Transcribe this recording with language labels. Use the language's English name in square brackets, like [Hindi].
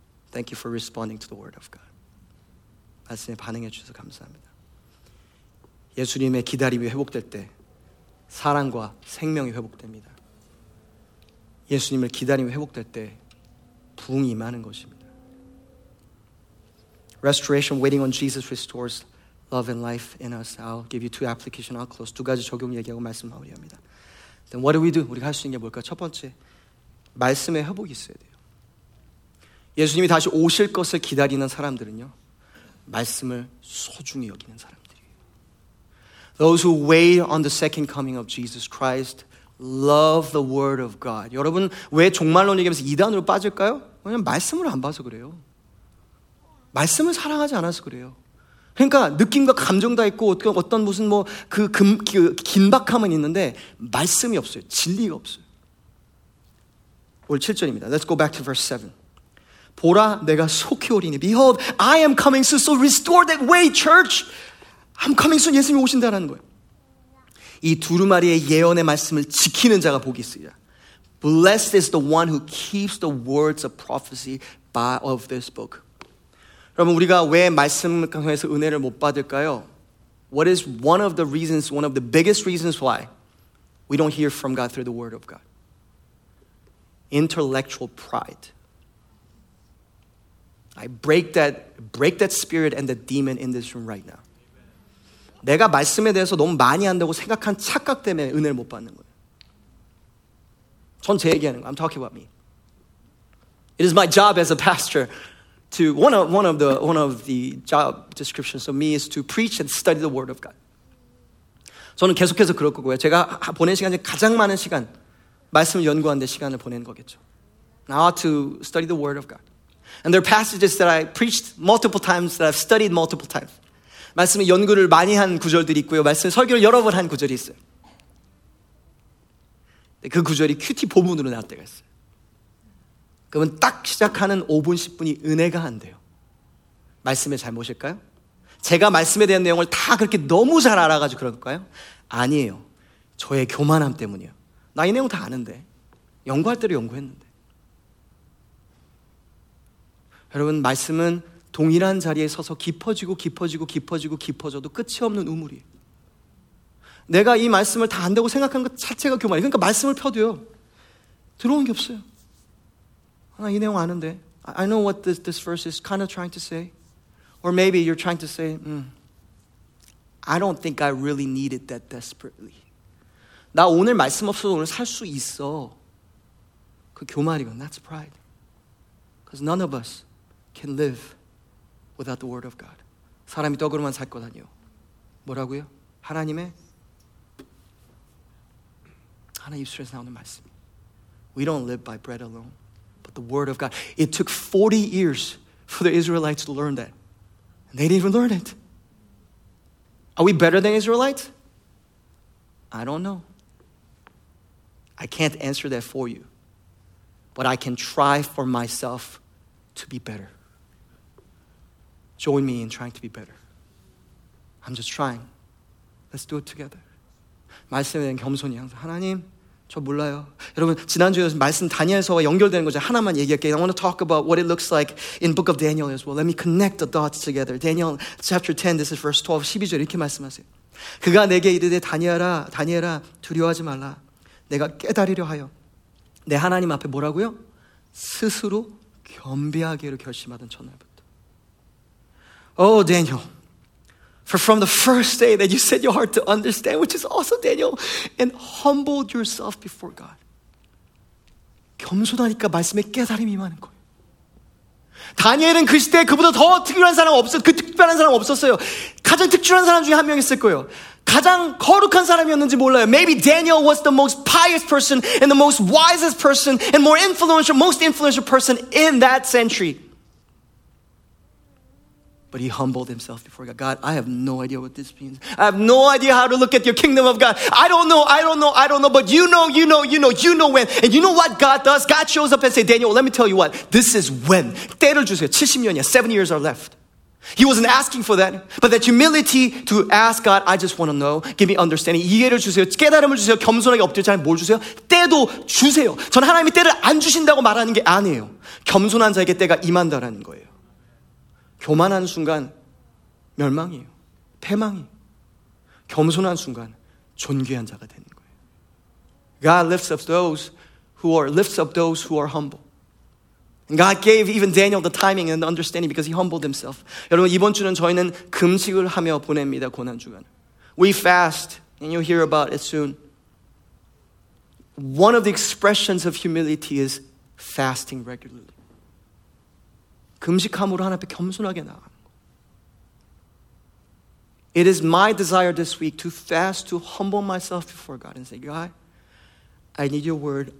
[English] Thank you for responding to the word of God. [Korean] 말씀에 반응해 주셔서 감사합니다. 예수님의 기다림이 회복될 때 사랑과 생명이 회복됩니다. 예수님의 기다림이 회복될 때 부흥이 임하는 것입니다. [English] Restoration waiting on Jesus restores love and life in us. I'll give you two applications. I'll close. [Korean] 두 가지 적용 얘기하고 말씀 마무리합니다. [English] Then what do we do? [Korean] 우리가 할 수 있는 게 뭘까? 첫 번째, 말씀의 회복이 있어야 돼요. 예수님이 다시 오실 것을 기다리는 사람들은요, 말씀을 소중히 여기는 사람들이에요. [English] Those who wait on the second coming of Jesus Christ love the word of God. [Korean] 여러분, 왜 종말론 얘기하면서 이단으로 빠질까요? 왜냐면 말씀을 안 봐서 그래요. 말씀을 사랑하지 않아서 그래요. 그러니까 느낌과 감정 다 있고 어떤 무슨 뭐 그 긴박함은 있는데 말씀이 없어요. 진리가 없어요. 오늘 7절입니다. [English] Let's go back to verse 7. [Korean] 보라, 내가 속히 오리니. [English] Behold, I am coming soon. So restore that way, church. I'm coming soon. [Korean] 예수님이 오신다라는 거예요. 이 두루마리의 예언의 말씀을 지키는 자가 복이 있으리라. [English] Blessed is the one who keeps the words of prophecy by of this book. [Korean] 여러분, 우리가 왜 말씀을 통해서 은혜를 못 받을까요? [English] What is one of the reasons, one of the biggest reasons why we don't hear from God through the word of God? Intellectual pride. I break that spirit and the demon in this room right now. Amen. [Korean] 내가 말씀에 대해서 너무 많이 안다고 생각한 착각 때문에 은혜를 못 받는 거예요. 전 제 얘기하는 거. [English] I'm talking about me. It is my job as a pastor to one of the job descriptions of me is to preach and study the word of God. [Korean] 저는 계속해서 그럴 거고요. 제가 보낸 시간 중 가장 많은 시간 말씀을 연구하는 데 시간을 보낸 거겠죠. [English] I ought to study the word of God. And there are passages that I preached multiple times, that I've studied multiple times. [Korean] 말씀의 연구를 많이 한 구절들이 있고요. 말씀의 설교를 여러 번 한 구절이 있어요. 근데 그 구절이 큐티 본문으로 나올 때가 있어요. 그러면 딱 시작하는 5분, 10분이 은혜가 안 돼요. 말씀의 잘못일까요? 제가 말씀에 대한 내용을 다 그렇게 너무 잘 알아가지고 그럴까요? 아니에요. 저의 교만함 때문이에요. 나 이 내용 다 아는데. 연구할 때로 연구했는데. 여러분, 말씀은 동일한 자리에 서서 깊어지고 깊어지고 깊어지고 깊어져도 끝이 없는 우물이에요. 내가 이 말씀을 다 안다고 생각한 것 자체가 교만이에요. 그러니까 말씀을 펴도요. 들어온 게 없어요. 나 이 내용 아는데. [English] I know what this verse is kind of trying to say. Or maybe you're trying to say, I don't think I really need it that desperately. [Korean] 나 오늘 말씀 없어도 오늘 살 수 있어. 그 교만이건 [English] that's pride. Because none of us can live without the word of God. [Korean] 사람이 떡으로만 살 것 아니요. 뭐라고요? 하나님의 하나 입술에서 나오는 말씀. [English] We don't live by bread alone, but the word of God. It took 40 years for the Israelites to learn that. And they didn't even learn it. Are we better than Israelites? I don't know. I can't answer that for you. But I can try for myself to be better. Join me in trying to be better. I'm just trying. Let's do it together. [Korean] 말씀에 대한 겸손이 항상 하나님 저 몰라요. 여러분 지난주에 말씀 다니엘서와 연결되는 거죠. 하나만 얘기할게요. [English] I want to talk about what it looks like in book of Daniel as well. Let me connect the dots together. Daniel chapter 10, this is verse 12, [Korean] 12절 이렇게 말씀하세요. 그가 내게 이르되 다니엘아, 다니엘아 두려워하지 말라. 내가 깨달으려 하여 내 하나님 앞에 뭐라고요? 스스로 겸비하기로 결심하던 전날부터. [English] Oh, Daniel. For from the first day that you set your heart to understand, which is awesome, Daniel, and humbled yourself before God. [Korean] 겸손하니까 말씀에 깨달음이 많은 거예요. 다니엘은 그 시대에 그보다 더 특별한 사람 없었어요. 그 특별한 사람 없었어요. 가장 특출한 사람 중에 한 명이었을 거예요. 가장 거룩한 사람이었는지 몰라요. [English] Maybe Daniel was the most pious person and the most wisest person and more influential, most influential person in that century. But he humbled himself before God. God, I have no idea what this means. I have no idea how to look at your kingdom of God. I don't know, I don't know, I don't know. But you know, you know, you know, you know when. And you know what God does? God shows up and says, Daniel, let me tell you what. This is when. [Korean] 때를 주세요. 70년이야. [English] 7 years are left. He wasn't asking for that. But that humility to ask God, I just want to know. Give me understanding. [Korean] 이해를 주세요. 깨달음을 주세요. 겸손하게 엎드려지 뭘 주세요? 때도 주세요. 전 하나님이 때를 안 주신다고 말하는 게 아니에요. 겸손한 자에게 때가 임한다라는 거예요. 교만한 순간 멸망이에요. 패망이. 겸손한 순간 존귀한 자가 되는 거예요. [English] God lifts up those who are humble. And God gave even Daniel the timing and the understanding because he humbled himself. [Korean] 여러분 이번 주는 저희는 금식을 하며 보냅니다. 고난 주간. [English] We fast and you'll hear about it soon. One of the expressions of humility is fasting regularly. [Korean] 금식함으로 하나님 앞에 겸손하게 나아가는 거. [English] It is my desire this week to fast, to humble myself before God and say, God, I need your word.